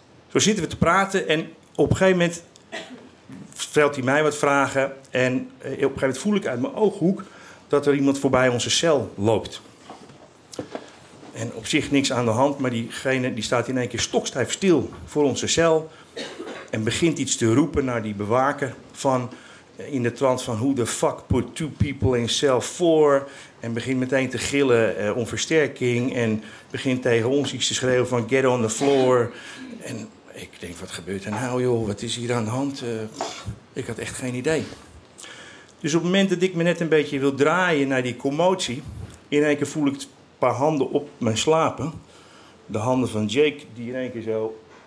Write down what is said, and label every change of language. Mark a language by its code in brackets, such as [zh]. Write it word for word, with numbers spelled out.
[nl] Zo zitten we te praten en op een gegeven moment stelt hij mij wat vragen en op een gegeven moment voel ik uit mijn ooghoek dat er iemand voorbij onze cel loopt. En op zich niks aan de hand, maar diegene die staat in één keer stokstijf stil voor onze cel. En begint iets te roepen naar die bewaker van... in de trant van [en] who the fuck put two people in cell four... [nl] en begint meteen te gillen eh, om versterking... en begint tegen ons iets te schreeuwen van [en] get on the floor. [nl] En ik denk, wat gebeurt er nou joh, wat is hier aan de hand? Uh, ik had echt geen idee. Dus op het moment dat ik me net een beetje wil draaien naar die commotie... in één keer voel ik een paar handen op mijn slapen. De handen van Jake die in één keer zo...